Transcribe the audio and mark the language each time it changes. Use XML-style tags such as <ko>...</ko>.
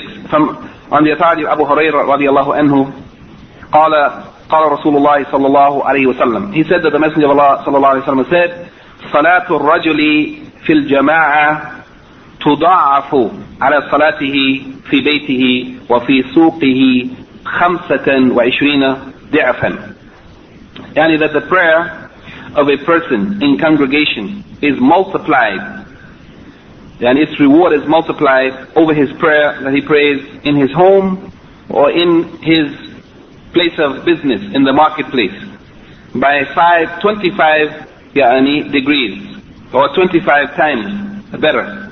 <en>From on the authority of Abu Huraira radiallahu anhu,</en> <ar>قال رسول الله صلى الله عليه وسلم.</ar> <en>He said that the Messenger of Allah</en> <ar>صلى الله عليه وسلم said, صلاة الرجل في الجماعة تضاعف على صلاته في بيته وفي سوقه 25 ضعفا.</ar> <en>يعني that the prayer of a person in congregation is multiplied, and its reward is multiplied over his prayer that he prays in his home or in his place of business, in the marketplace, by 25 يعني, degrees, or 25 times better.</en>